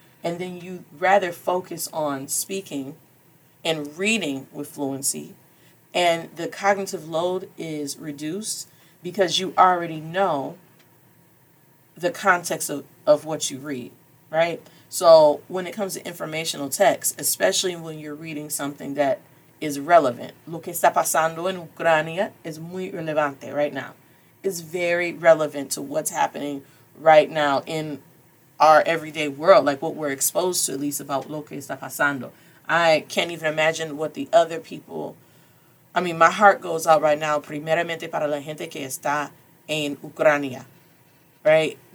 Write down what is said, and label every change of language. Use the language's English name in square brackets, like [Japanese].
[English] And then you rather focus on speaking and reading with fluency. And the cognitive load is reduced because you already know the context of what you read, right? So when it comes to informational text, especially when you're reading something that is relevant. [Spanish] Lo que está pasando en Ucrania es muy relevante [English] right now. It's very relevant to what's happening right now in our everyday world, like what we're exposed to, at least about [Spanish] lo que está pasando. [English] I can't even imagine what the other people, I mean, my heart goes out right now, [Spanish] primeramente para la gente que está en Ucrania, [English] right?